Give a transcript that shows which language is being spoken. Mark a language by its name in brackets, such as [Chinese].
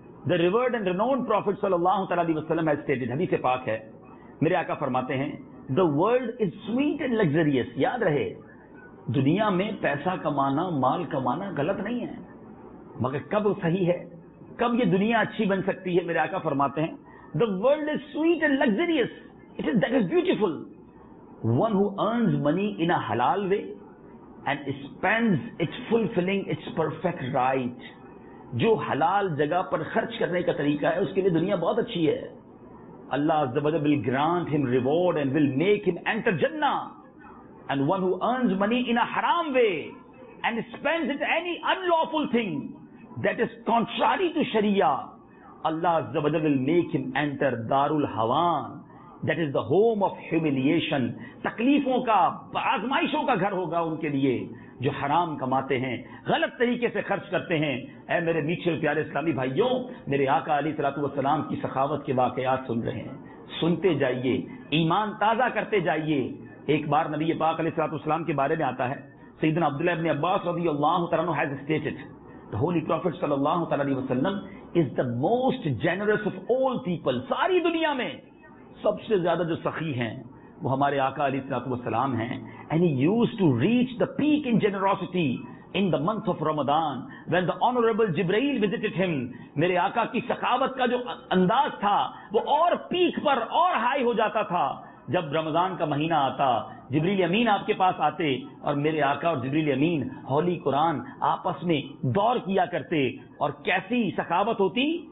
[English] The revered and renowned prophet صلی اللہ تعالیٰ علیہ وسلم has stated, [Urdu] حدیث پاک ہے, میرے آقا فرماتے ہیں [English] The world is sweet and luxurious. [Urdu] یاد رہے دنیا میں پیسہ کمانا مال کمانا غلط نہیں ہے, مگر کب صحیح ہے, کب یہ دنیا اچھی بن سکتی ہے؟ میرے آقا فرماتے ہیں [English] The world is sweet and luxurious. It is that is beautiful. One who earns money in a halal way and spends it fulfilling its perfect right. [Urdu] جو حلال جگہ پر خرچ کرنے کا طریقہ ہے اس کے لیے دنیا بہت اچھی ہے. [English] Allah عز و جل will grant him reward and will make him enter Jannah. And one who earns money in a haram way and spends it any unlawful thing that is contrary to Sharia, Allah عز و جل will make him enter Darul Hawan. That is the home of humiliation. [Urdu] تکلیفوں کا, آزمائشوں کا گھر ہوگا ان کے لیے جو حرام کماتے ہیں, غلط طریقے سے خرچ کرتے ہیں. اے میرے میٹھے اور پیارے اسلامی بھائیوں, میرے آقا علی صلاتو والسلام کی سخاوت کے واقعات سن رہے ہیں, سنتے جائیے, ایمان تازہ کرتے جائیے. ایک بار نبی پاک علیہ صلاتو والسلام کے بارے میں آتا ہے, سیدنا عبداللہ ابن عباس رضی اللہ تعالیٰ عنہ [English] has stated, the holy prophet صلی اللہ تعالیٰ علیہ وسلم is the most generous of all people. [Urdu] ساری دنیا میں سب سے زیادہ جو سخی ہیں وہ ہمارے آقا علیہ الصلوۃ والسلام ہیں. [English] And he used to reach the peak in generosity in the month of Ramadan when the honorable Jibreel visited him. [Urdu] میرے آقا کی سخاوت کا جو انداز تھا وہ اور پیک پر اور ہائی ہو جاتا تھا جب رمضان کا مہینہ آتا. جبریل امین آپ کے پاس آتے اور میرے آقا اور جبریل امین ہولی قرآن آپس میں دور کیا کرتے, اور کیسی سخاوت ہوتی.